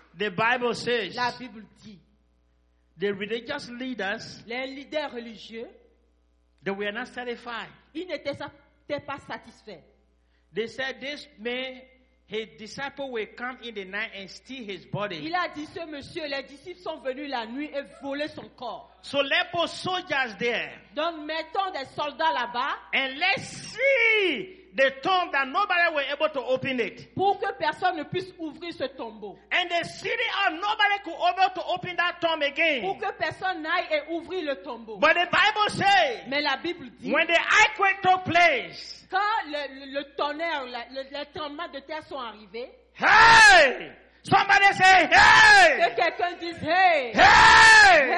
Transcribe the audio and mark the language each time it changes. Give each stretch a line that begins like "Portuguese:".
English: The Bible says,
French: la Bible dit,
English: the religious leaders,
French: les leaders religieux,
English: they were not satisfied.
French: Ils n'étaient pas satisfaits.
English: They said this man, his disciple will come in the night and steal his body.
French: Il a dit ce monsieur, les disciples sont venus la nuit et voler son corps.
English: So let those soldiers there.
French: Donc mettons des soldats là-bas.
English: And let's see the tomb that nobody was able to open it.
French: Pour que personne ne puisse ouvrir ce tombeau.
English: And the city of nobody could able to open that tomb again.
French: Pour que personne n'aille et ouvrir le tombeau.
English: But the Bible says,
French: mais la Bible dit,
English: when the earthquake took place,
French: quand le tonnerre, le tremblement de terre sont arrivés,
English: hey, Somebody say, hey!
French: Que quelqu'un dise, hey! Hey!